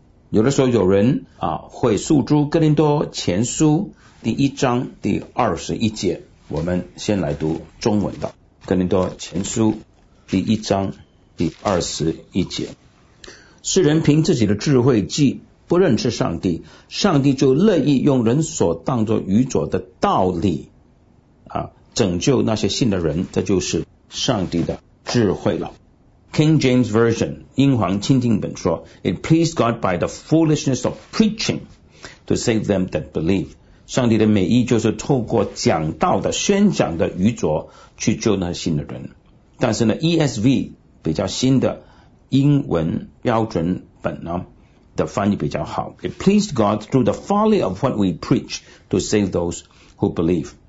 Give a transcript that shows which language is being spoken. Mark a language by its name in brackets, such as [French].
[Chinese] 有的时候有人啊会诉诸哥林多前书第一章第21节，我们先来读中文的哥林多前书第一章第21节。世人凭自己的智慧计不认识上帝，上帝就乐意用人所当作愚拙的道理啊拯救那些信的人，这就是上帝的智慧了。 [English] King James Version [Chinese] 英皇钦定本说 [English] It pleased God by the foolishness of preaching to save them that believe. [Chinese] 上帝的美意就是透过讲道的宣讲的愚拙去救那信的人。但是呢 ESV 比较新的英文标准本呢的翻译比较好 [English] It pleased God through the folly of what we preach to save those who believe.